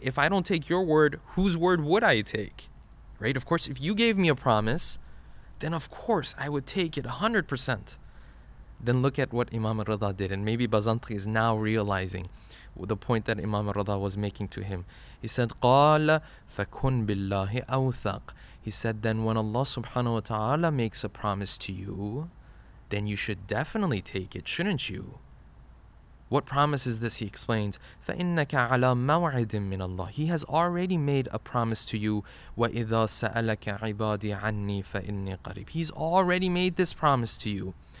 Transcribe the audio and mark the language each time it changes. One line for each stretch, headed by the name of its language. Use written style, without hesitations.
English: If I don't take your word, whose word would I take? Right? Of course, if you gave me a promise, then of course, I would take it 100%. Then look at what Imam al-Rida did. And maybe Bazanti is now realizing the point that Imam al-Rida was making to him. He said,
Arabic: قَالَ فَكُنْ بِاللَّهِ أَوْثَقْ.
English: He said, then when Allah subhanahu wa ta'ala makes a promise to you, then you should definitely take it, shouldn't you? What promise is this? He explains,
Arabic: فَإِنَّكَ عَلَى مَوْعِدٍ مِّنَ اللَّهِ.
English: He has already made a promise to you.
Arabic: وَإِذَا سَأَلَكَ عِبَادِي عَنِّي فَإِنِّي قَرِيبٌ.
English: He's already made this promise to you,